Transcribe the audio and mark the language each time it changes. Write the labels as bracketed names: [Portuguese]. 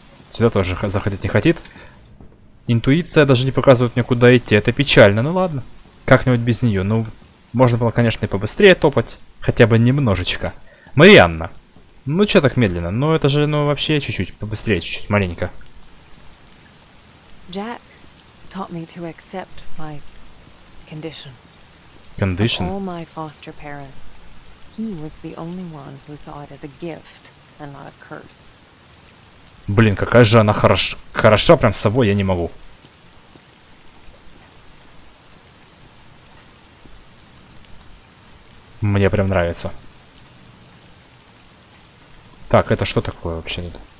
[Russian] Сюда тоже заходить не хотит. Интуиция даже не показывает мне, куда идти. Это печально, ну ладно. Как-нибудь без нее. Ну, можно было, конечно, и побыстрее топать. Хотя бы немножечко. Марианна. Ну, что так медленно? Ну, это же, ну, вообще чуть-чуть. Побыстрее чуть-чуть, маленько. [English] Jack taught me to accept my condition. Condition? Of all my foster parents, he was the only one who saw it as a gift and not a curse. [Russian] Блин, какая же она хороша прям с собой, я не могу. Мне прям нравится. Так, это что такое вообще?